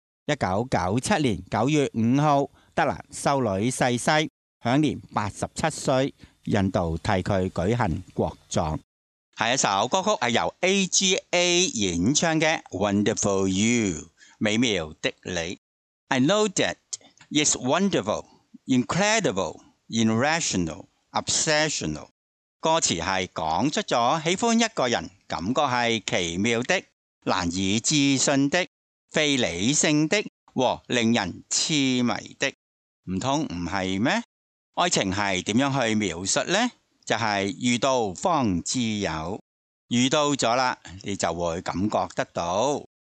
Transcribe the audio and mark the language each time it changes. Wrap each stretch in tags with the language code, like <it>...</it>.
<zh>1997年9月5号，德兰修女逝世，享年87岁，印度替她举行国葬。下一首歌曲是由 AGA 演唱的 Wonderful You， 美妙的你。</zh> <en>I know that it's wonderful, incredible, irrational, obsessional。</en> <zh>歌词是讲出了喜欢一个人感觉是奇妙的、难以置信的、非理性的和令人痴迷的。难道不是吗？爱情是怎样去描述呢？就是遇到方知有，遇到了你就会感觉得到。</zh>